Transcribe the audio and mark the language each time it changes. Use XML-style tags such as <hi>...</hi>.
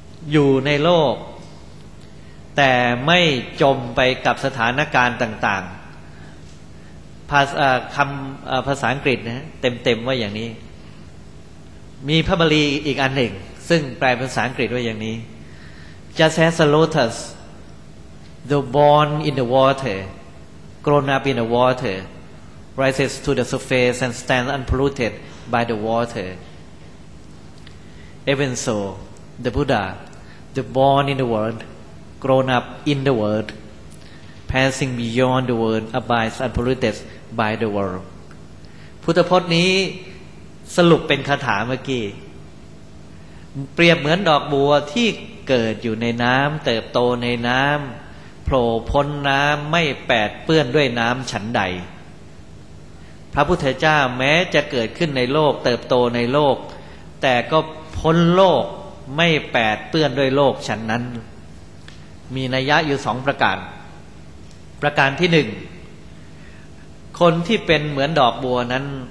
<th>อยู่ในโลกแต่ไม่จมไปกับสถานการณ์ต่างๆภาษาอังกฤษนะเต็มๆว่าอย่างนี้มีพระบาลีอีกอันหนึ่งซึ่งแปลภาษาอังกฤษว่าอย่างนี้</th> <en>Just as a lotus though born in the water grown up in the waterrises to the surface and stands unpolluted by the water. Even so, the Buddha, the born in the world, grown up in the world, passing beyond the world, abides unpolluted by the world.</en> <th>พุทธพจน์นี้สรุปเป็นคาถาเมื่อกี้เปรียบเหมือนดอกบัวที่เกิดอยู่ในน้ำเติบโตในน้ำโผล่พ้นน้ำไม่แปดเปื้อนด้วยน้ำฉันใด พระพุทธเจ้าแม้จะเกิดขึ้นในโลกเติบโตในโลกแต่ก็พ้นโลกไม่แปดเปื้อนด้วยโลกฉันนั้นมีนัยยะอยู่สองประการประการที่หนึ่งคนที่เป็นเหมือนดอกบัวนั้น</th>